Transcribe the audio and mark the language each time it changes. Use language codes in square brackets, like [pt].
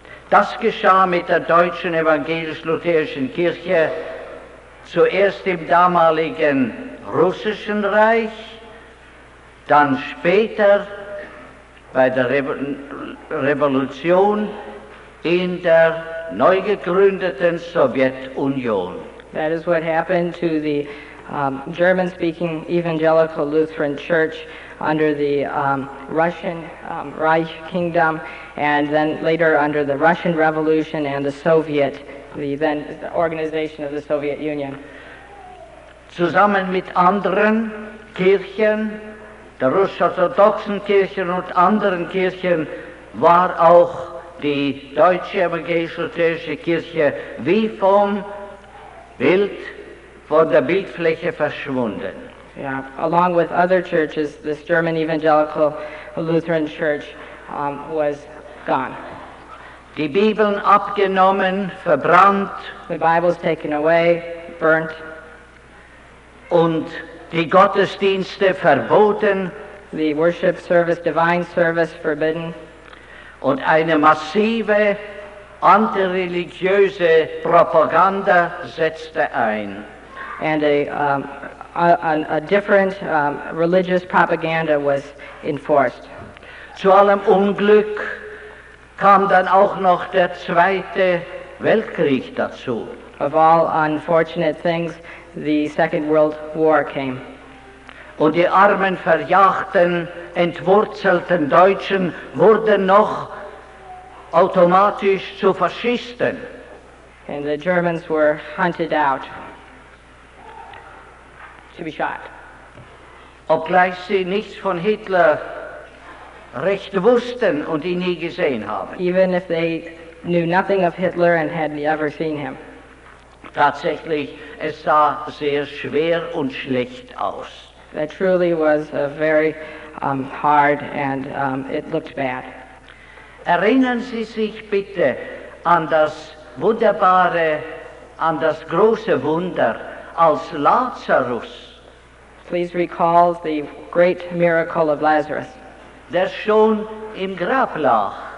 [de] Das geschah mit der deutschen evangelisch-lutherischen Kirche zuerst im damaligen Russischen Reich, dann später bei der Revolution in der neu gegründeten Sowjetunion. [en] That is what happened to the German-speaking Evangelical Lutheran Church under the Russian Reich Kingdom, and then later under the Russian Revolution and the Soviet, the then organization of the Soviet Union. [de] Zusammen mit anderen Kirchen, der russisch-orthodoxen Kirchen und anderen Kirchen, war auch die deutsche evangelisch-lutherische Kirche wie vom Bild, von der Bildfläche verschwunden. [en] Yeah, along with other churches, this German Evangelical Lutheran Church was gone. [de] Die Bibeln abgenommen, verbrannt. [en] The Bibles taken away, burnt. [de] Und die Gottesdienste verboten. [en] The worship service, divine service forbidden. [de] Und eine massive antireligiöse Propaganda setzte ein. [en] And a different religious propaganda was enforced. [de] Zu allem Unglück kam dann auch noch der Zweite Weltkrieg dazu. [en] Of all unfortunate things, the Second World War came. [de] Und die armen, verjagten, entwurzelten Deutschen wurden noch automatisch zu Faschisten. [en] And the Germans were hunted out to be shot. [de] Obgleich sie nichts von Hitler recht wussten und ihn nie gesehen haben. [en] Even if they knew nothing of Hitler and had never seen him. [de] Tatsächlich, es sah sehr schwer und schlecht aus. [en] That truly was a very hard and it looked bad. [de] Erinnern Sie sich bitte an das wunderbare, an das große Wunder, als Lazarus. [en] Please recall the great miracle of Lazarus. [de] Der schon im Grab lag.